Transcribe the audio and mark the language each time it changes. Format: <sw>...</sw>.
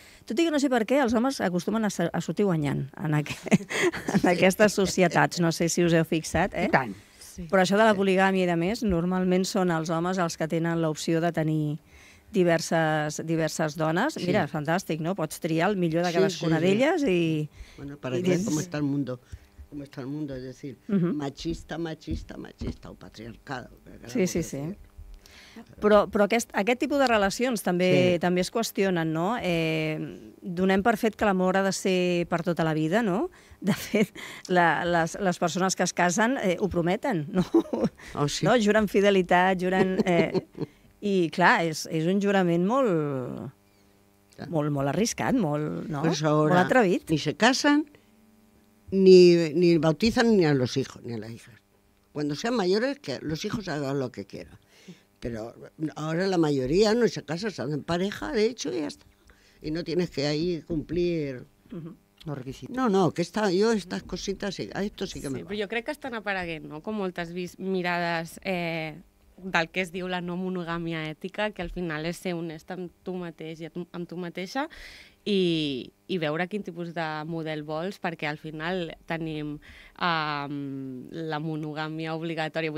<ca>Tot i que no sé per què, els homes acostumen a sortir guanyant en aquestes societats. No sé si us heu fixat, eh? I tant. Però això de la poligàmia i de més, normalment són els homes els que tenen l'opció de tenir diverses dones. Mira, sí. Fantàstic, no? Pots triar el millor de cadascuna d'elles i...</ca> <es>Bueno, para ver cómo está el mundo. Como está el mundo, es decir, machista o patriarcal. Sí.</es> <ca>Però aquest tipus de relacions també es qüestionen, no? Donem per fet que l'amor ha de ser per tota la vida, no? De fet, les persones que es casen ho prometen, no? Oh, sí. No? Juren fidelitat, juren... I, clar, és un jurament molt, molt, molt arriscat, molt, no?</ca> <es>Pues ahora,</es> <ca>molt atrevit.</ca> <es>Ni se casen... Ni bautizan ni a los hijos, ni a las hijas. Cuando sean mayores, que los hijos hagan lo que quieran. Pero ahora la mayoría no se casa, se hacen pareja, de hecho, y ya está. Y no tienes que ahí cumplir... Los requisitos. No, que está, yo estas cositas, a esto sí que me va.</es> <ca>Sí, però jo crec que estan apareguent, no? Com moltes mirades del que es diu la no monogàmia ètica, que al final és ser honest amb tu mateix i amb tu mateixa, i veure quin tipus de model vols, perquè al final tenim la monogàmia obligatòria.</ca>